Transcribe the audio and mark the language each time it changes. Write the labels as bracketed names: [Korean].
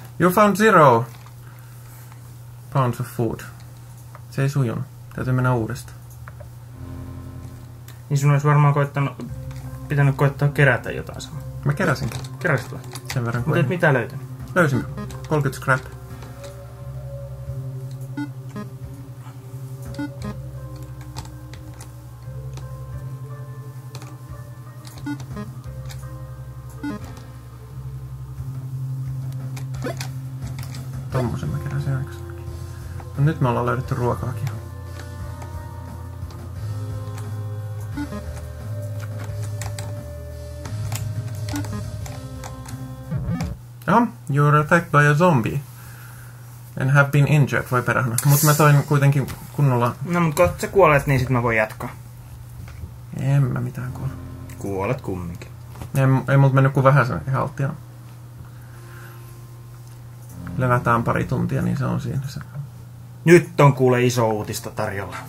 [English] You found 0 pounds of food. [Finnish] Se ei sujunut. Täytyy mennä uudestaan. Niin sun olisi varmaan pitänyt koittaa kerätä jotain samaa. Mä keräsinkin. Keräsit vai? Sen verran kuin. Mutta et mitä löytänyt? Löysin. 30 scrap. Tommosen mä keräsin aikaisemminkin. No nyt me ollaan löydetty ruokaakin. [English] Aha, you're attacked by a zombie. And have been injured, [Finnish] voi perhana. Mut mä toin kuitenkin kunnolla... No mut kun sä kuolet, niin sit mä voin jatkaa. En mä mitään kuole. Kuolet kumminkin. Ei mut mennyt kuin vähän sen halttia. Levätään pari tuntia, niin se on siinä se Nyt on kuule iso uutista tarjolla.